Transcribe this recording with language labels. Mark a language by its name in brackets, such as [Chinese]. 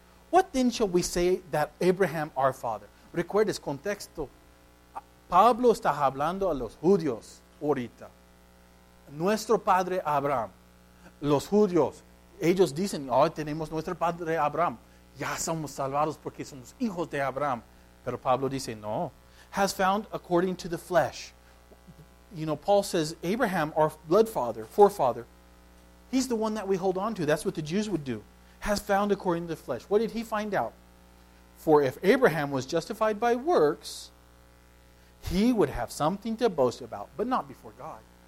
[English] What then shall we say that Abraham our father? [Spanish] Recuerdes contexto. Pablo está hablando a los judíos ahorita. nuestro padre Abraham. Los judíos, ellos dicen, hoy tenemos nuestro padre Abraham. Ya somos salvados porque somos hijos de Abraham. Pero Pablo dice, no. [English] Has found according to the flesh. You know, Paul says, Abraham, our blood father, forefather, he's the one that we hold on to. That's what the Jews would do. Has found according to the flesh. What did he find out? For if Abraham was justified by works, he would have something to boast about, but not before God.